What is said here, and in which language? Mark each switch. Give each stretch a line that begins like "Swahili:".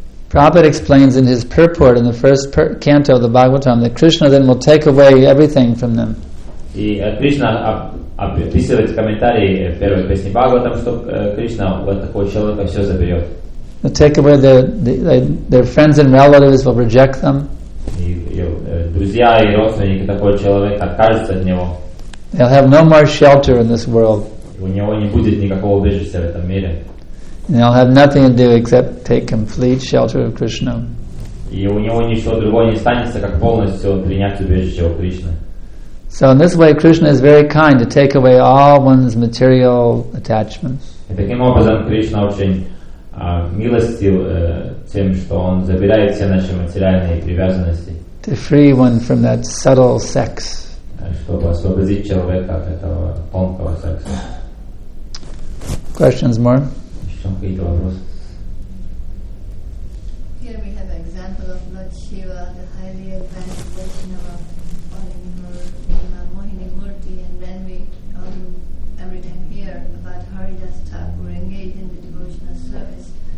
English: Prabhupada explains in his purport in the first canto of the Bhagavatam that Krishna then will take away everything from them.
Russian: И Кришна описывает в комментарии первой песни Бхагаватам, что Кришна вот такого человека все заберет.
English: They'll take away their friends and relatives will reject them.
Russian: И друзья и родственники такого человека откажутся от него.
English: They'll have no more shelter in this world.
Russian: У него не будет никакого убежища в этом мире.
English: And they'll have nothing to do except take complete shelter of Krishna.
Russian: И у него ничего другого не останется, как полностью принять убежище у Кришны.
English: So in this way, Krishna is very kind to take away all one's material attachments.
Russian: И таким образом Кришна очень милостив тем, что он забирает все наши материальные привязанности.
English: To free one from that subtle sex.
Russian: Чтобы освободить человека от этого тонкого секса.
English: Questions more? Here we have an example of Lord Shiva, the highly advanced Vaishnava, falling for Mohini Murti, and then we all do everything here about Haridas Thakur engaged in the devotional service.